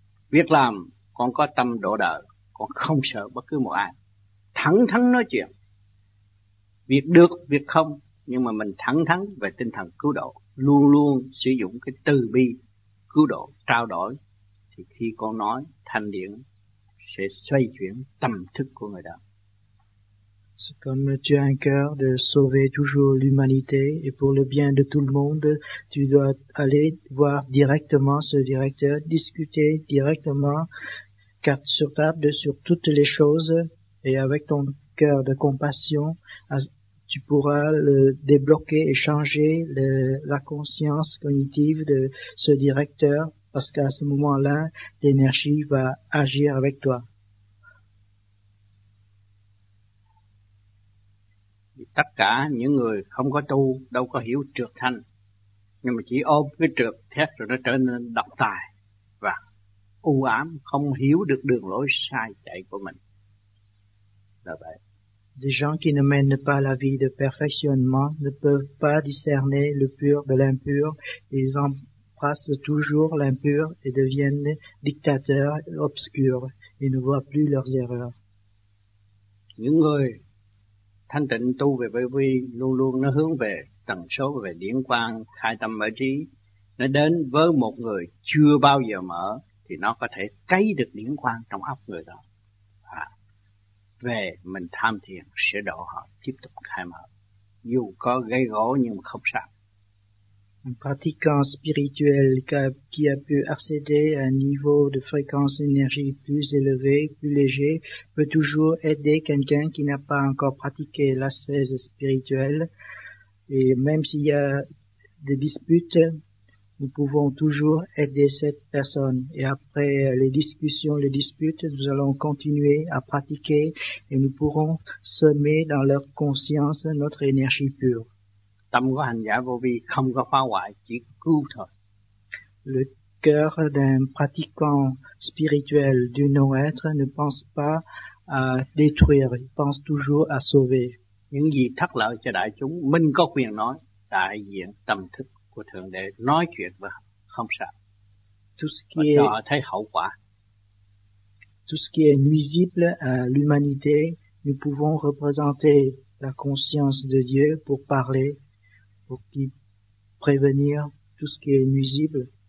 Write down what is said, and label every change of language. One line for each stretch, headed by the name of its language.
Vietnamese: Việc làm con có tâm độ đời, con không sợ bất cứ một ai, thẳng thắn nói chuyện, việc được việc không, nhưng mà mình thẳng thắn về tinh thần cứu độ, luôn luôn sử dụng cái từ bi cứu độ trao đổi, thì khi con nói thanh điển sẽ xoay chuyển tâm thức của người đó.
French: C'est comme tu as un cœur de sauver toujours l'humanité et pour le bien de tout le monde, tu dois aller voir directement ce directeur, discuter directement carte sur table sur toutes les choses, et avec ton cœur de compassion tu pourras le débloquer et changer la conscience cognitive de ce directeur, parce qu'à ce moment-là, l'énergie va agir avec toi.
Vietnamese: Tất cả những người không có tu đâu có hiểu trược thanh, nhưng mà chỉ ôm cái trược thét rồi nó trở nên độc tài và u ám, không hiểu được đường lối sai chạy của mình. Là vậy.
French: Des gens qui ne mènent pas la vie de perfectionnement ne peuvent pas discerner le pur de l'impur. Ils embrassent toujours l'impur et deviennent dictateurs obscurs. Ils ne voient plus leurs erreurs.
Vietnamese: Những người thanh tịnh tu về bởi vì luôn luôn nó hướng về tần số về điển quang khai tâm mở trí. Nó đến với một người chưa bao giờ mở thì nó có thể cấy được điển quang trong óc người đó. Về mình tham thiền sẽ độ họ tiếp tục khai mở, dù có gây gỗ nhưng mà không sao.
French: Un pratiquant spirituel qui a pu accéder à un niveau de fréquence énergie plus élevé, plus léger, peut toujours aider quelqu'un qui n'a pas encore pratiqué l'ascèse spirituelle. Et même s'il y a des disputes, nous pouvons toujours aider cette personne. Et après les discussions, les disputes, nous allons continuer à pratiquer et nous pourrons semer dans leur conscience notre énergie pure.
Vietnamese: Tâm của hành giả vô vi không có phá hoại, chỉ cứu thôi.
French: Le cœur d'un pratiquant spirituel du non-être ne pense pas à détruire, il pense toujours à sauver.
Vietnamese: Những gì thất lợi cho đại chúng, mình có quyền nói đại diện tâm thức của thượng đế nói chuyện và không sợ.
French: Tout ce qui est,
Vietnamese: cho họ thấy hậu quả.
French: Tout ce qui est nuisible à l'humanité, nous pouvons représenter la conscience de Dieu pour parler, pour prévenir tout ce qui est nuisible.